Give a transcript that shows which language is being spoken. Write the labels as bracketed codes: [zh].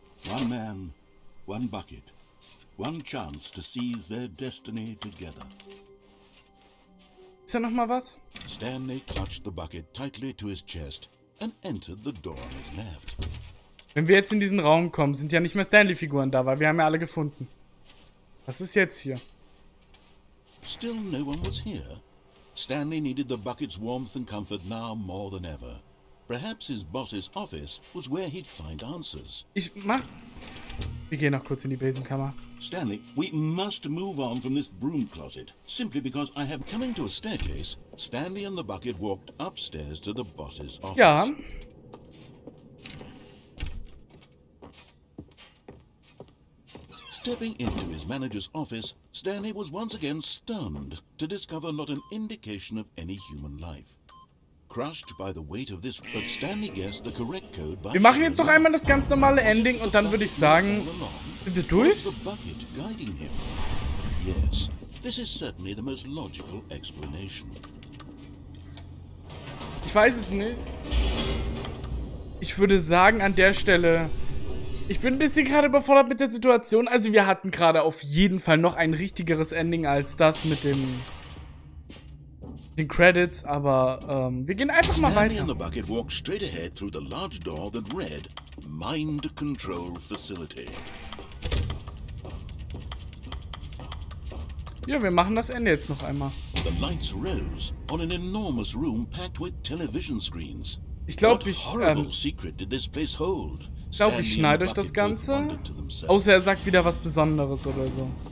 [en] One man, one bucket. One chance to seize their destiny together. [de] Ist da noch mal was? [en] Stanley clutched the bucket tightly to his chest and entered the door on his left. [de] Wenn wir jetzt in diesen Raum kommen, sind ja nicht mehr Stanley-Figuren da, weil wir haben ja alle gefunden. Was ist jetzt hier? [en] Still no one was here. Stanley needed the bucket's warmth and comfort now more than ever. Perhaps his boss's office was where he'd find answers. [de] Wir gehen noch kurz in die Besenkammer. [en] Stanley, we must move on from this broom closet. Simply because I have coming to a staircase, Stanley and the bucket walked upstairs to the boss's office. [de] Ja. [en] Stepping into his manager's office, Stanley was once again stunned to discover not an indication of any human life. Crushed by the weight of this, but Stanley guessed the correct code by... [de] Wir machen jetzt noch einmal das ganz normale Ending und dann würde ich sagen, sind wir durch? [en] Was the bucket guiding him? Yes, this is certainly the most logical explanation. [de] Ich weiß es nicht. Ich würde sagen, an der Stelle... Ich bin ein bisschen gerade überfordert mit der Situation. Also wir hatten gerade auf jeden Fall noch ein richtigeres Ending als das mit dem... den Credits, aber wir gehen einfach mal weiter. [en] Stanley and the bucket walked straight ahead through the large door that read Mind Control Facility. [de] Ja, wir machen das Ende jetzt noch einmal. [en] The lights rose on an enormous room packed with television screens. [de] Ich glaube, ich... [en] What horrible secret did this place hold? [de] Ich glaube, ich schneide euch das Ganze. Außer er sagt wieder was Besonderes oder so.